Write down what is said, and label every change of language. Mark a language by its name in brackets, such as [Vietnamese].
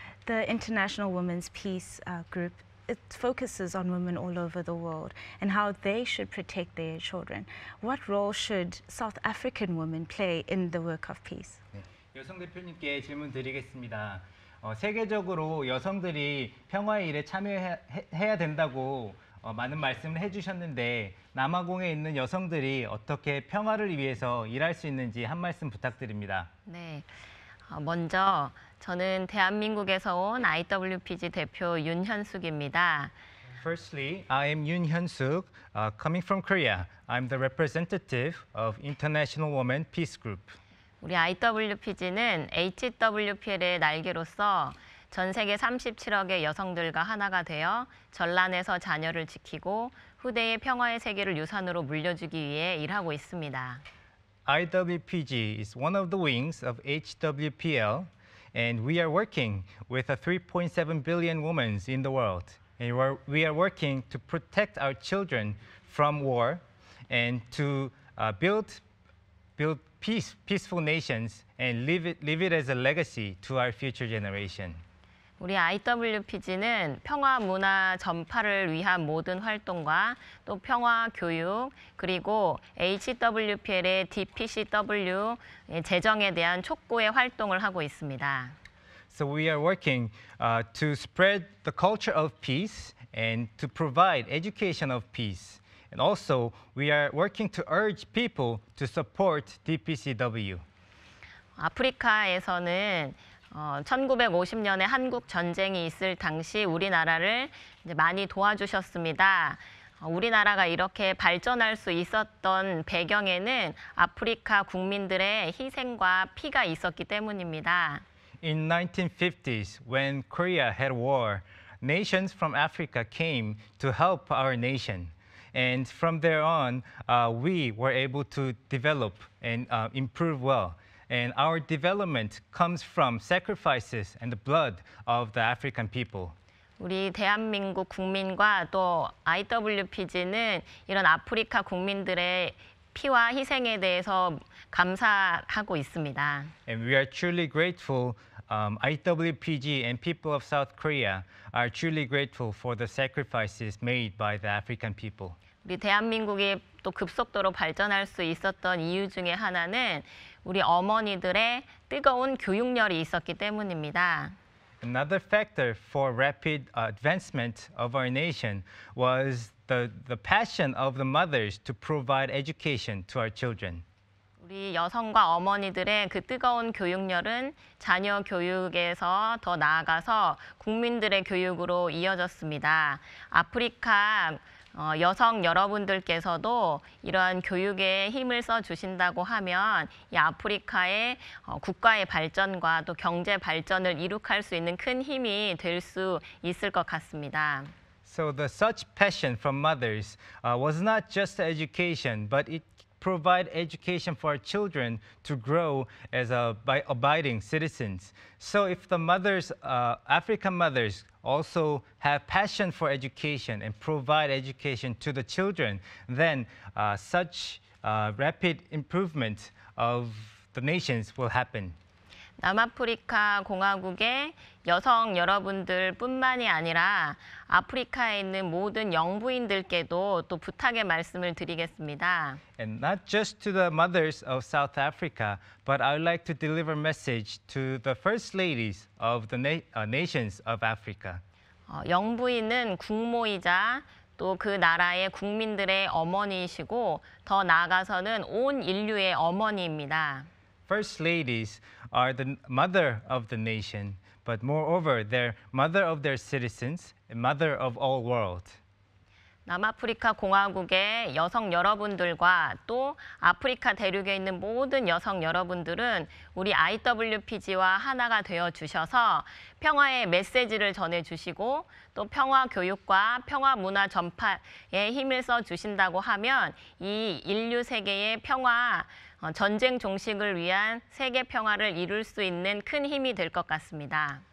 [English] The International Women's Peace Group, it focuses on women all over the world and how they should protect their children. What role should South African women play in the work of peace? [Korean] 여성 대표님께 질문 드리겠습니다. 세계적으로 여성들이 평화의 일에 참여해야 된다고 많은 말씀을 해주셨는데 남아공에 있는 여성들이 어떻게 평화를 위해서 일할 수 있는지 한 말씀 부탁드립니다. 네, 먼저 저는 대한민국에서 온 IWPG 대표 윤현숙입니다. [English] Firstly, I am Yun Hyun-suk, coming from Korea. I'm the representative of International Women Peace Group. [Korean] 우리 IWPG는 HWPL의 날개로서 전 세계 37억의 여성들과 하나가 되어 전란에서 자녀를 지키고 후대의 평화의 세계를 유산으로 물려주기 위해 일하고 있습니다. [English] IWPG is one of the wings of HWPL, and we are working with the 3.7 billion women in the world. And we are working to protect our children from war and to build peaceful nations and leave it as a legacy to our future generation. [Korean] 우리 IWPG는 평화 문화 전파를 위한 모든 활동과 또 평화 교육 그리고 HWPL의 DPCW 재정에 대한 촉구의 활동을 하고 있습니다. [English] So we are working to spread the culture of peace and to provide education of peace. And also we are working to urge people to support DPCW. [Korean] 아프리카에서는 1950년에 한국 전쟁이 있을 당시 우리나라를 이제 많이 도와주셨습니다. 우리나라가 이렇게 발전할 수 있었던 배경에는 아프리카 국민들의 희생과 피가 있었기 때문입니다. [English] In 1950s, when Korea had war, nations from Africa came to help our nation. And from there on, we were able to develop and improve well. And our development comes from sacrifices and the blood of the African people. [Korean] 우리 대한민국 국민과 또 IWPG는 이런 아프리카 국민들의 피와 희생에 대해서 감사하고 있습니다. [English] And we are truly grateful, IWPG and people of South Korea are truly grateful for the sacrifices made by the African people. [Korean] 우리 대한민국이 또 급속도로 발전할 수 있었던 이유 중에 하나는 우리 어머니들의 뜨거운 교육열이 있었기 때문입니다. [English] Another factor for rapid advancement of our nation was the passion of the mothers to provide education to our children. [Korean] 우리 여성과 어머니들의 그 뜨거운 교육열은 자녀 교육에서 더 나아가서 국민들의 교육으로 이어졌습니다. 아프리카 여성 여러분들께서도 이러한 교육에 힘을 써 주신다고 하면 이 아프리카의 국가의 발전과 또 경제 발전을 이룩할 수 있는 큰 힘이 될 수 있을 것 같습니다. [English] So the such passion from mothers was not just education, but it provide education for our children to grow as abiding citizens. So if the mothers, African mothers, also have passion for education and provide education to the children, then such rapid improvement of the nations will happen. [Korean] 남아프리카 공화국의 여성 여러분들뿐만이 아니라 아프리카에 있는 모든 영부인들께도 또 부탁의 말씀을 드리겠습니다. [English] And not just to the mothers of South Africa, but I would like to deliver message to the first ladies of the nations of Africa. [Korean] 영부인은 국모이자 또 그 나라의 국민들의 어머니이시고 더 나아가서는 온 인류의 어머니입니다. [English] First ladies are the mother of the nation, but moreover, they're mother of their citizens, and mother of all world. [Korean] 남아프리카 공화국의 여성 여러분들과 또 아프리카 대륙에 있는 모든 여성 여러분들은 우리 IWPG와 하나가 되어 주셔서 평화의 메시지를 전해 주시고 또 평화 교육과 평화 문화 전파에 힘을 써 주신다고 하면 이 인류 세계의 평화 전쟁 종식을 위한 세계 평화를 이룰 수 있는 큰 힘이 될 것 같습니다.